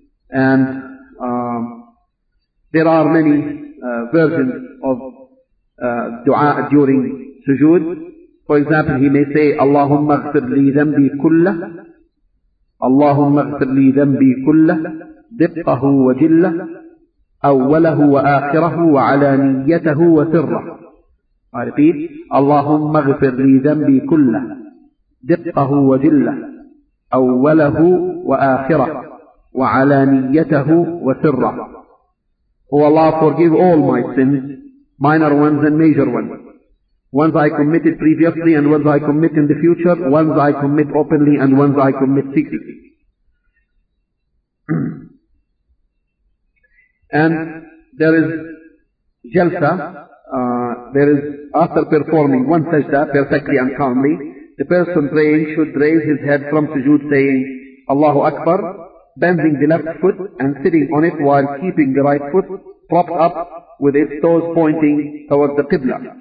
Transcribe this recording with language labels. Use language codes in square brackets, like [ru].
[en] And there are many versions of dua during sujood. For example, he may say, [ar] Allahumma ghfir li dhanbi kullah, Allahumma ghfir li dhanbi kullah, dibqahu wa jillah, أوله وآخره وعلانيته وسره. [en] I repeat, [ar] اللهم اغفر لي ذنبي كله دقه وجله أوله وآخره وعلانيته وسره. [en] Oh Allah, forgive all my sins, minor ones and major ones. Ones I committed previously and ones I commit in the future. Ones I commit openly and ones I commit secretly. And there is jalsa, there is, after performing one sajda perfectly and calmly, the person praying should raise his head from sujood saying, Allahu Akbar, bending the left foot and sitting on it while keeping the right foot propped up with its toes pointing towards the Qibla.